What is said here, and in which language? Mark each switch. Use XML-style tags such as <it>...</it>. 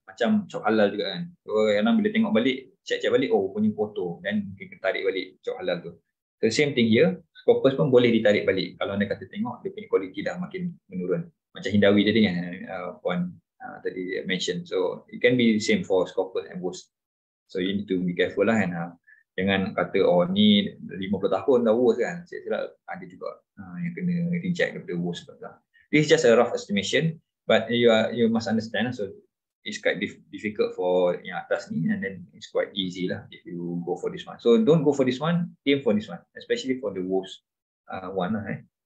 <ms>Macam cok halal juga kan. Orang bila tengok balik, check balik, oh punya foto. Dan mungkin tarik balik cok halal tu.</ms> <en>So same thing here,</en> <ms>Scopus pun boleh ditarik balik. Kalau anda kata tengok, dia punya quality dah makin menurun. Macam Hindawi tadi kan, Puan tadi mention.</ms> <en>So it can be the same for Scopus and WOS. So you need to be careful lah kan.</en> <ms>Jangan kata, oh ni 50 tahun dah WOS kan. Sila-sila ada juga yang kena reject daripada WOS.</ms> <en>This is just a rough estimation, but you must understand. So it's quite difficult for</en> <ms>yang atas ni,</ms> <en>and then it's quite easy lah if you go for this one. So don't go for this one, aim for this one, especially for the WOS one lah.</en>